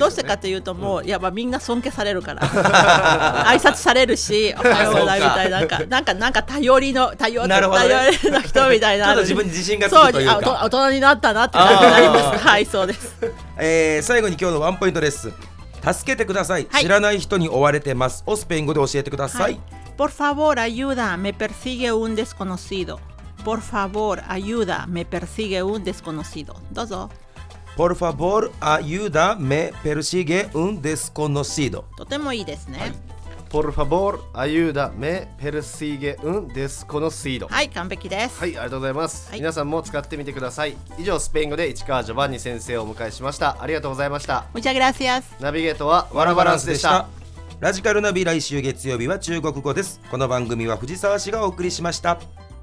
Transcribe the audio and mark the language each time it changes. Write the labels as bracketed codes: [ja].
[ja] どうしてかというと、もう、うん、やっぱみんな尊敬されるから。挨拶されるし、おはようございますみたいな、なんか頼りの人みたいな。ちょっと自分に自信がつくというか。そう、大人になったなって感じになります。はい、そうです。最後に今日のワンポイントレッスン。助けてください。はい、知らない人に追われてます。をスペイン語で教えてください。はい、 [es] Por favor, ayuda, me persigue un desconocido. Por favor, ayuda, me persigue un desconocido. [ja] どうぞ。 [es] Por favor, ayuda, me persigue un desconocido. [ja] とてもいいですね。 [es] はい、Por favor, ayuda, me persigue un desconocido. [ja] はい、完璧です。はい、ありがとうございます。はい、皆さんも使ってみてください。以上、スペイン語で市川ジョバンニ先生をお迎えしました。ありがとうございました。 [es] Muchas gracias. [ja] ナビゲートはワラバランスでした。ラジカルナビ、来週月曜日は中国語です。この番組は藤沢氏がお送りしました。